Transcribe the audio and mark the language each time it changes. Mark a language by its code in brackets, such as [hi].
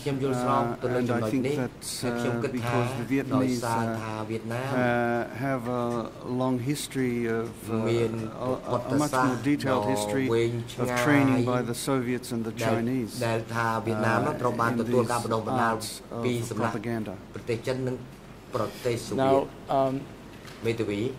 [km] ខ្ញុំយល់ស្របទៅលើចំណុចនេះខ្ញុំគិតថាដោយសារថាវៀតណាម [en] have a long history of a much more detailed history of training by the Soviets and the Chinese. [km] ដែលថាវៀតណាមត្រូវបានទទួលការបណ្ដុះបណ្ដាលពីសម្រាប់ ប្រទេសចិននិងប្រទេសសូវៀត [en] Now [km] មេតាវី